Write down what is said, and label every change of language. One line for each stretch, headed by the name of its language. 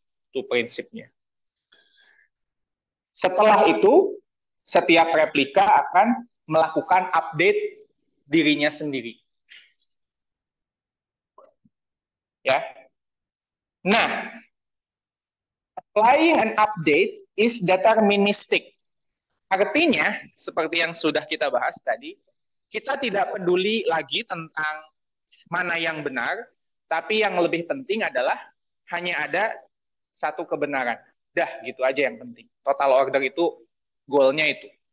Indonesian: Itu prinsipnya. Setelah itu, setiap replika akan melakukan update dirinya sendiri. Ya.
English: Nah, applying an update is deterministic.
Indonesian: Artinya, seperti yang sudah kita bahas tadi, kita tidak peduli lagi tentang mana yang benar, tapi yang lebih penting adalah hanya ada satu kebenaran. Dah, gitu aja yang penting. Total order itu, goalnya itu.